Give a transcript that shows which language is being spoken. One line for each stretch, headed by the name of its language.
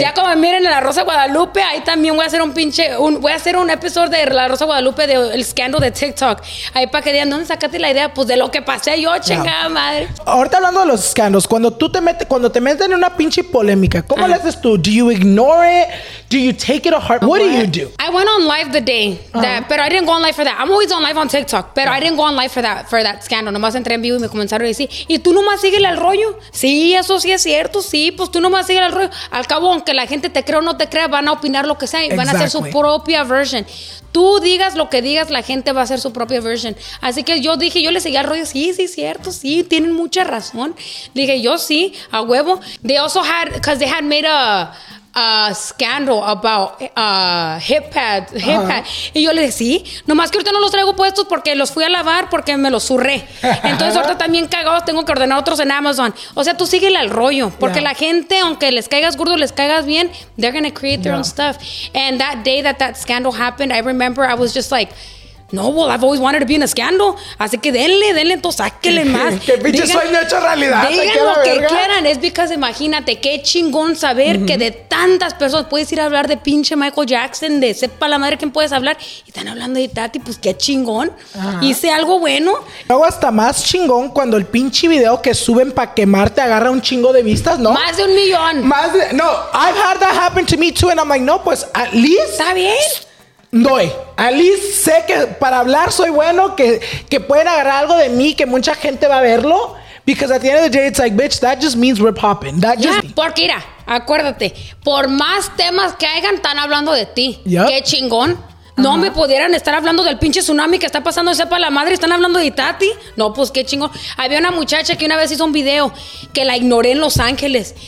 Spanish: Ya como miren La Rosa de Guadalupe, ahí también voy a hacer un episodio de La Rosa de Guadalupe, del scandal de TikTok. Ahí para que digan, ¿dónde sacaste la idea? Pues de lo que pasé yo, chingada madre. Ahorita hablando de los scandals, cuando te meten en una pinche polémica, ¿cómo le haces tú?
English: ¿Do you ignore it? ¿Do you take it a heart? What do you do? I went on live the day, but I didn't go on live for that. I'm always on live on TikTok, pero I didn't go on live for that scandal.
Spanish: Nomás entré en vivo y me comenzaron a decir, ¿y tú nomás síguele al rollo? Sí, eso sí es cierto, sí, pues tú nomás síguele al rollo. Al cabo, aunque la gente te crea o no te crea, van a opinar lo que sea y van a hacer su propia version. Tú digas lo que digas, la gente va a hacer su propia version. Así que yo dije, yo le seguí al rollo, sí, sí, cierto, sí, tienen mucha razón. Dije, yo sí, a huevo.
English: They also had, because they had made a scandal about hip pads.
Spanish: Y yo le dije, sí, nomás que ahorita no los traigo puestos porque los fui a lavar porque me los zurré. Entonces ahorita también cagados tengo que ordenar otros en Amazon. O sea, tú síguele al rollo, porque la gente, aunque les caigas gordo, les caigas bien,
English: they're gonna create their own stuff. And that day that scandal happened, I remember I was just like, no, well, I've always wanted to be in a scandal.
Spanish: Así que denle, entonces sáquenle más. ¿Qué pinche sueño hecho realidad? Digan lo que quieran. Es porque imagínate qué chingón saber que de tantas personas puedes ir a hablar de pinche Michael Jackson, de sepa la madre quién puedes hablar. Y están hablando de Tati, pues qué chingón. Hice algo bueno. Luego hasta más chingón cuando el pinche video que suben para quemarte agarra un chingo de vistas, ¿no? Más de un millón. Más de, no,
English: I've had that happen to me too. And I'm like, no, pues at least.
Spanish: Está bien. Doy. Alice, sé que para hablar soy bueno, que pueden agarrar algo de mí, que mucha gente va a verlo.
English: Because at the end of the day, it's like, bitch, that just means we're popping. That just.
Spanish: Porque mira, acuérdate, por más temas que hagan, están hablando de ti. Yep. Qué chingón. No me pudieran estar hablando del pinche tsunami que está pasando, sepa la madre, están hablando de Tati. No, pues qué chingón. Había una muchacha que una vez hizo un video que la ignoré en Los Ángeles.